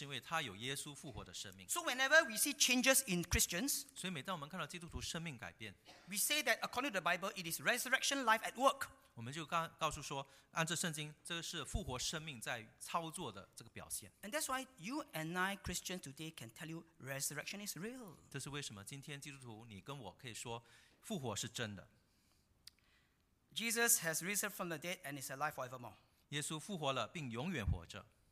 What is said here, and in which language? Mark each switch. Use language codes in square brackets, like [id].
[zh] 因为圣经就告诉我们人之所以会改变是因为他有耶稣复活的生命。 [en] So whenever we see changes in Christians, [zh] 所以每当我们看到基督徒生命改变, [en] we say that according to the Bible, it is resurrection life at work. [zh] 我们就告诉说按照圣经这是复活生命在操作的这个表现。 [en] And that's why you and I Christians today can tell you resurrection is real. [zh] 这是为什么今天基督徒你跟我可以说复活是真的。 [en] Jesus has risen from the dead and is alive forevermore. [zh] 耶稣复活了并永远活着。